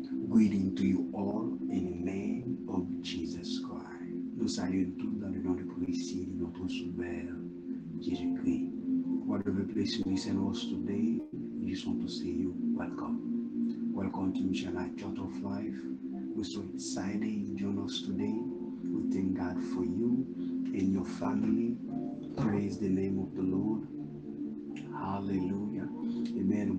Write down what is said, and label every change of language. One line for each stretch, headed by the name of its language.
English: greeting to you all in the name of Jesus Christ.
French: Nous saluons tout dans le nom du Christ, de notre Sauveur, Jésus-Christ.
English: Whatever place you listen to us today, we just want to say you welcome. Welcome to Michelin Church of Life. We're so excited you join us today. We thank God for you and your family. Praise the name of the Lord. Hallelujah. Amen.